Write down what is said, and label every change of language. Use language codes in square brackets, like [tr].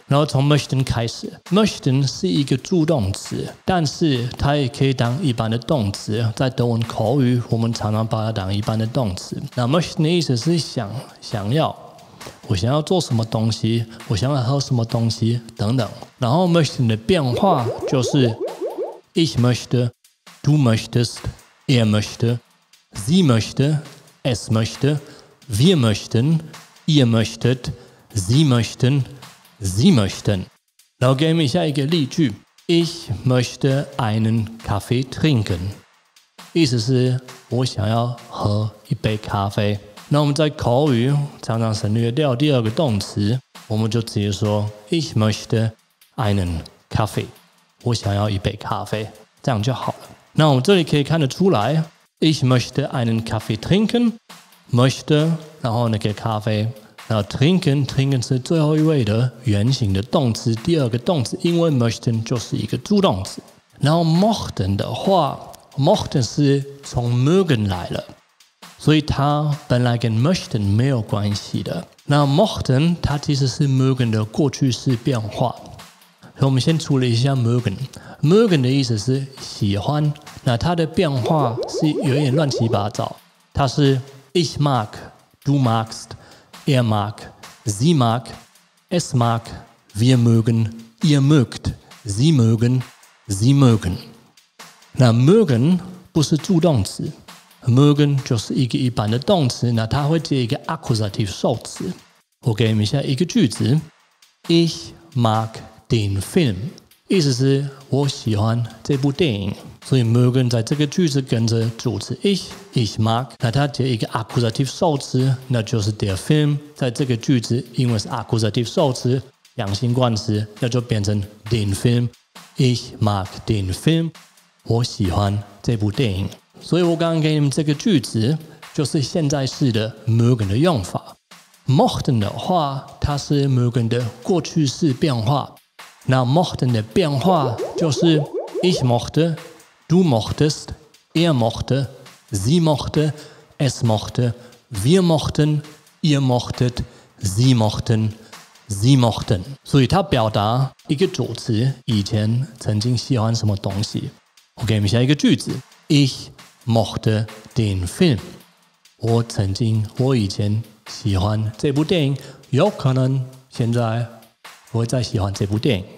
[zh] 然后从 möchten 开始 ，möchten 是一个助动词，但是它也可以当一般的动词。在德文口语，我们常常把它当一般的动词。那 möchten 的意思是想要。我想要做什么东西，我想要喝什么东西等等。然后 [de] möchten [zh] 的变化就是 [de] ich möchte, du möchtest, er möchte, sie möchte, es möchte, wir möchten, ihr möchtet, sie möchten, sie möchten。 [zh] 然后给你们下一个例句， [de] ich möchte einen Kaffee trinken， [zh] 意思是我想要喝一杯咖啡。那我们在口语常常省略掉第二个动词，我们就直接说 [de] Ich möchte einen Kaffee， [zh] 我想要一杯咖啡，这样就好了。那我们这里可以看得出来 [de] Ich möchte einen Kaffee trinken， [zh] möchte 然后那个咖啡，然后 trinken 是最后一位的原型的动词，第二个动词，因为 möchten 就是一个助动词。然后 mochten 的话， mochten 是从 mögen 来了，所以它本来跟 möchten 没有关系的。那 mochten 它其实是 mögen 的过去式变化。所以我们先处理一下 mögen。mögen 的意思是喜欢，那它的变化是有点乱七八糟。它是 [de] ich mag, du magst, er mag, sie mag, es mag, wir mögen, ihr mögt, sie mögen, sie mögen。 [zh] 那 mögen 不是助动词。Mögen 就是一个一般的动词，那它会接一个 akkusativ 受词。我给你们下一个句子 ： [de] Ich mag den Film， [zh] 意思是我喜欢这部电影。所以 Mögen 在这个句子跟着主词 ich mag， 那它接一个 akkusativ 受词，那就是 der Film 在这个句子，因为是 akkusativ 受词，阳性冠词，那就变成 den Film。 [de] Ich mag den Film， [zh] 我喜欢这部电影。所以我刚刚给你们这个句子就是现在式的 mögen 的用法。 [de] mochten [zh] 的话它是 [de] mögen [zh] 的过去式变化，那 [de] mochten [zh] 的变化就是 [de] ich mochte, du mochtest, er mochte, sie mochte, es mochte, wir mochten, ihr mochtet, sie mochten, sie mochten。 [zh] 所以它表达一个主词以前曾经喜欢什么东西。我给你们下一个句子， [de] ichmochte den Film， [zh] 我曾经我以前喜欢这部电影，有可能现在我会再喜欢这部电影。